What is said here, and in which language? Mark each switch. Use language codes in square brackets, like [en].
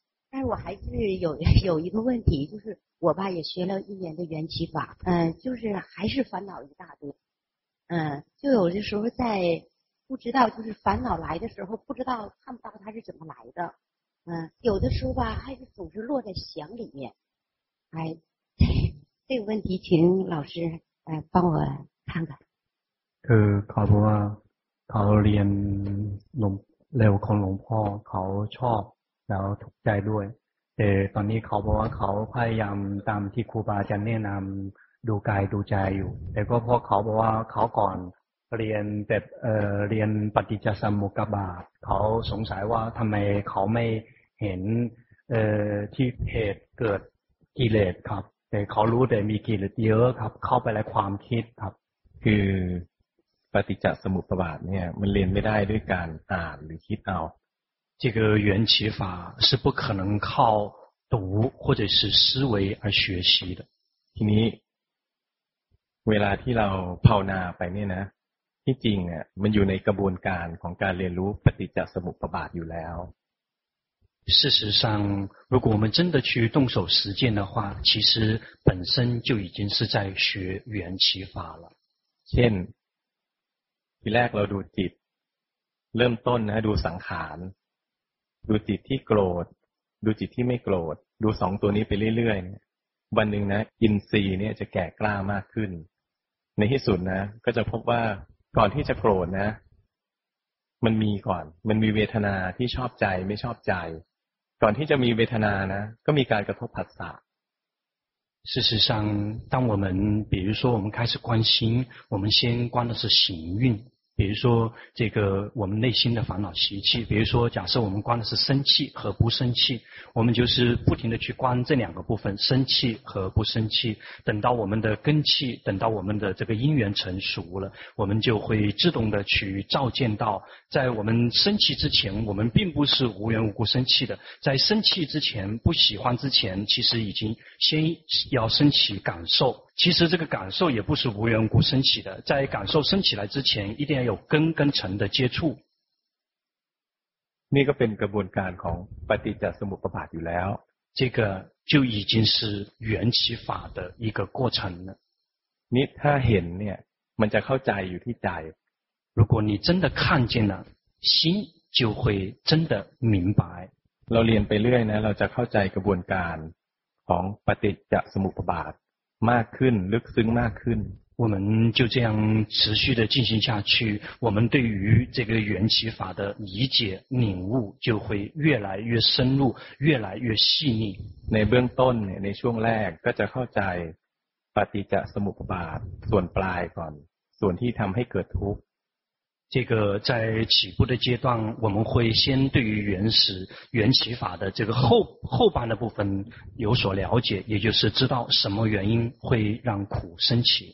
[zh] 但是我还是有一个问题就是我爸也学了一年的缘起法就是还是烦恼一大堆就有的时候在不知道就是烦恼来的时候不知道看不到它是怎么来的有的时候吧还是总是落在想里面哎这个问题请老师帮我看看可可不啊他连龙刘空龙破他错然后吐在对当你可不啊他快要当地库巴将念南都该都在有那个破可不啊他管 [th] เรียนแบบเรียนปฏิจจสมุปบาทเขาสงสัยว่าทำไมเขาไม่เห ห็นที่เหตุเกิดกิเลสครับแต่เขารู้แต่มีกิเลสเยอะครับเข้าไปในความคิดครับ คือปฏิจจสมุปบาทเนี่ยมันเรียนไม่ได้ด้วยการอ่านหรือคิดเอา [zh] 这个缘起法是不可能靠读或者是思维而学习的 [th] ทีนี้เวลาที่เราภาวนาไปเนี่ยนะที่จริงเนี่ยมันอยู่ในกระบวนการของการเรียนรู้ปฏิจจสมุปบาทอยู่แล้ว [zh] 事实上如果我们真的去动手实践的话其实本身就已经是在学缘起法了 [th] เช่นทีแรกเราดูจิตเริ่มต้นนะดูสังขารดูจิตที่โกรธดูจิตที่ไม่โกรธดูสองตัวนี้ไปเรื่อยๆวันหนึ่งนะอินทรีย์เนี่ยจะแก่กล้ามากขึ้นในที่สุดนะก็จะพบว่าก่อนที่จะโกรธนะมันมีก่อนมันมีเวทนาที่ชอบใจไม่ชอบใจก่อนที่จะมีเวทนานะก็มีการกระทบผัสสะ [zh] 事实上当我们比如说我们开始关心我们先关的是行运比如说这个我们内心的烦恼习气比如说假设我们观的是生气和不生气我们就是不停的去观这两个部分生气和不生气等到我们的根气等到我们的这个因缘成熟了我们就会自动的去照见到在我们生气之前我们并不是无缘无故生气的在生气之前不喜欢之前其实已经先要升起感受其实这个感受也不是无缘无故升起的在感受升起来之前一定要有根跟尘的接触 [th] 那个เป็นกระบวนการของปฏิจจสมุปบาทอยู่แล้ว [zh] 这个就已经是缘起法的一个过程了 [th] นี่ถ้าเห็นเนี่ยมันจะเข้าใจอยู่ที่ใจ [zh] 如果你真的看见了心就会真的明白 [th] เราเรียนไปเรื่อยนะเราจะเข้าใจกระบวนการของปฏิจจสมุปบาทมากขึ้นลึกซึ้งมากขึ้น [zh] 我们就这样持续的进行下去我们对于这个缘起法的理解领悟就会越来越深入越来越细腻 [th] ในเบื้องต้นในช่วงแรกก็จะเข้าใจปฏิจจสมุปบาทส่วนปลายก่อนส่วนที่ทำให้เกิดทุกข์ [zh] 这个在起步的阶段我们会先对于原始缘起法的这个后半的部分有所了解也就是知道什么原因会让苦升起